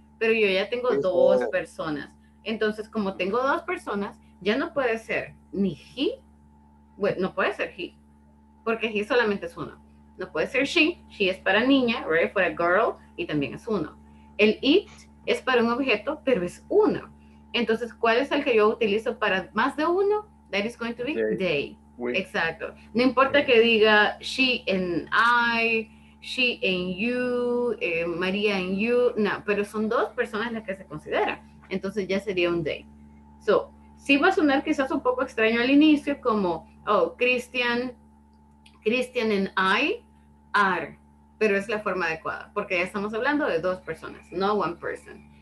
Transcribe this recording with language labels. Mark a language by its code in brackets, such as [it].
[es] Pero yo ya tengo dos personas. Entonces, como tengo dos personas, ya no puede ser ni he, bueno, no puede ser he, porque he solamente es uno. No puede ser she es para niña, right? [en] For a girl, [es] y también es uno. El it es para un objeto, pero es uno. Entonces, ¿cuál es el que yo utilizo para más de uno? [en] That is going to be they. [es] Exacto. No importa que diga [en] she and I, she and you, [es] María and you. No, pero son dos personas las que se considera. Entonces, ya sería un they. So, sí va a sonar quizás un poco extraño al inicio, como, [en] oh, Christian and I are. [es] Pero es la forma adecuada, porque ya estamos hablando de dos personas, [en] no one person.